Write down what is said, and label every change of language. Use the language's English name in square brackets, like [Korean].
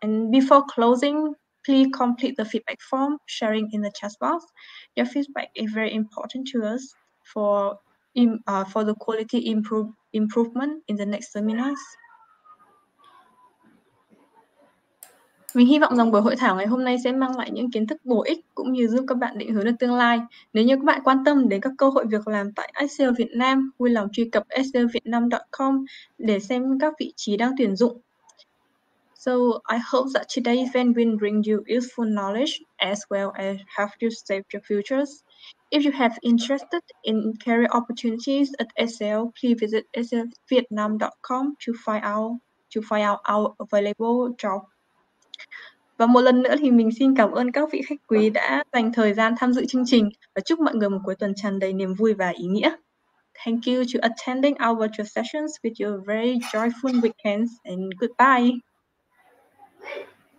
[English] Before closing, please complete the feedback form sharing in the chat box. Your feedback is very important to us for the quality improvement in the next seminars. [Vietnamese] Mình hy vọng rằng buổi hội thảo ngày hôm nay sẽ mang lại những kiến thức bổ ích cũng như giúp các bạn định hướng được tương lai. Nếu như các bạn quan tâm đến các cơ hội việc làm tại SCL Việt Nam, vui lòng truy cập scvietnam.com để xem các vị trí đang tuyển dụng. [English] So I hope that today's event will bring you useful knowledge as well as help you save your futures. If you have interested in career opportunities at SCL, please visit scvietnam.com to find out our available job. [Vietnamese] Và một lần nữa thì mình xin cảm ơn các vị khách quý đã dành thời gian tham dự chương trình và chúc mọi người một cuối tuần tràn đầy niềm vui và ý nghĩa. [English] Thank you to attending our virtual sessions with your very joyful weekends and goodbye.